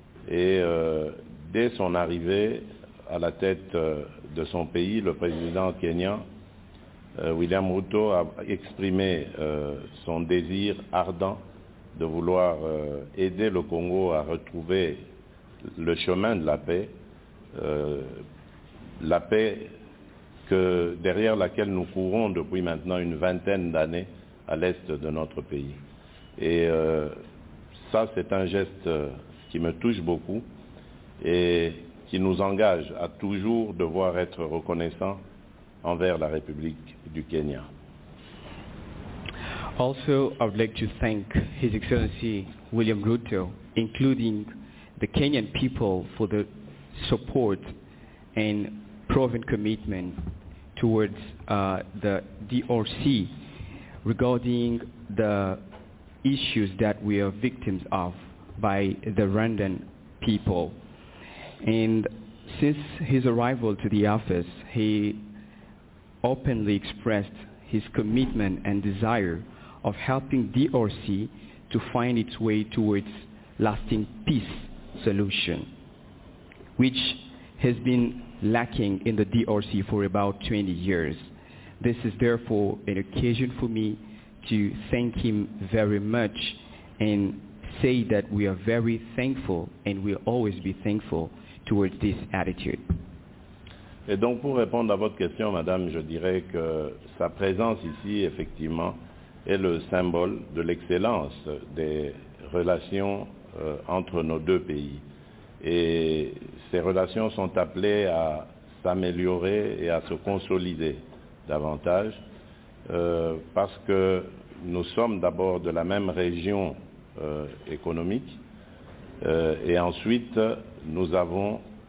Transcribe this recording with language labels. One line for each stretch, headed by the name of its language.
French: Et dès son arrivée à la tête de son pays, le président kényan, William Ruto, a exprimé son désir ardent de vouloir aider le Congo à retrouver le chemin de la paix que, derrière laquelle nous courons depuis maintenant une vingtaine d'années à l'est de notre pays. Et ça, c'est un geste qui me touche beaucoup et qui nous engage à toujours devoir être reconnaissants envers la République du Kenya.
English: Also, I would like to thank His Excellency William Ruto, including the Kenyan people, for the support and proven commitment towards the DRC regarding the issues that we are victims of by the Rwandan people. And since his arrival to the office, he openly expressed his commitment and desire of helping DRC to find its way towards lasting peace solution, which has been lacking in the DRC for about 20 years. This is therefore an occasion for me to thank him very much and say that we are very thankful and we'll always be thankful towards this attitude.
French: Et donc pour répondre à votre question, madame, je dirais que sa présence ici, effectivement, est le symbole de l'excellence des relations entre nos deux pays. Et ces relations sont appelées à s'améliorer et à se consolider davantage parce que nous sommes d'abord de la même région économique et ensuite nous avons